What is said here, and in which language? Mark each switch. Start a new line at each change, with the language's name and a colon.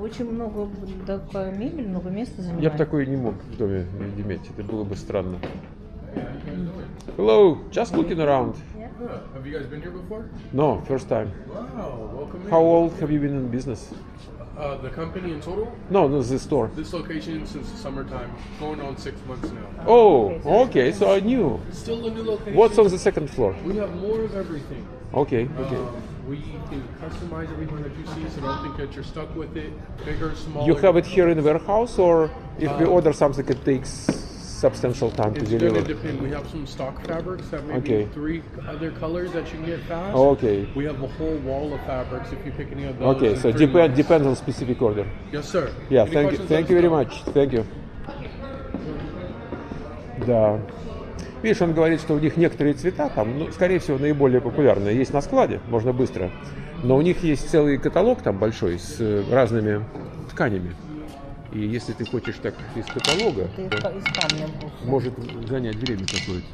Russian: Очень много такая мебель, много места занимает. Я бы такое не мог в доме иметь. Это было бы странно.
English: Hello, just looking around. Yeah. Have you guys been here before? No, first time. Wow, welcome. How old have you been in business? The company in total? No, the store. This location since the summertime, going on 6 months now. Oh, okay, so I knew. Still a new location. What's on the second floor? We have more of everything. Okay, okay. We can customize everything that you see, so don't think that you're stuck with it. Bigger, smaller. You have it here in the warehouse, or if we order something, it takes substantial time it's to deliver? It's going to depend. We have some stock fabrics that maybe okay. Three other colors that you can get fast. Okay. We have a whole wall of fabrics if you pick any of those. Okay, so depends on specific order. Yes, sir. Yeah, thank you very much. Thank you.
Russian: Да. Видишь, он говорит, что у них некоторые цвета там, ну, скорее всего, наиболее популярные. Есть на складе, можно быстро. Но у них есть целый каталог там большой с разными тканями. И если ты хочешь так из каталога, может занять время какое-то.